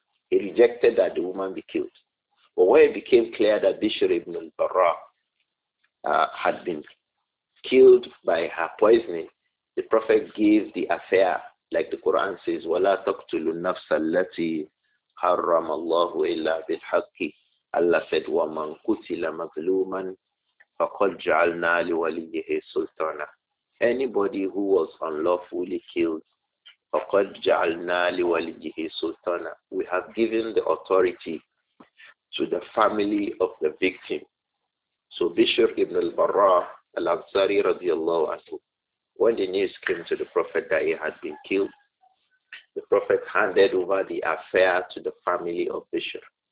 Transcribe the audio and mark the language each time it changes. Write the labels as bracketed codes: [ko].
[en] He rejected that the woman be killed. But when it became clear that Bishr ibn al-Barra had been killed by her poisoning, the Prophet gave the affair, like the Quran says, [ar] وَلَا تَقْتُلُ النَّفْسَ الَّتِي حَرَّمَ اللَّهُ إِلَّا بِالْحَقِّ. [en] Allah said, [ar] وَمَنْ قُتِلَ مَظْلُومًا فَقَدْ جَعَلْنَا لِوَلِيِّهِ سُلْطَانًا. [en] Anybody who was unlawfully killed, [ar] فَقَدْ جَعَلْنَا لِوَلِيِّهِ سُلْطَانًا. [en] We have given the authority to the family of the victim. So Bishr ibn al-Barra al-Ansari radiallahu anhu, when the news came to the Prophet that he had been killed, the Prophet handed over the affair to the family of Bishr.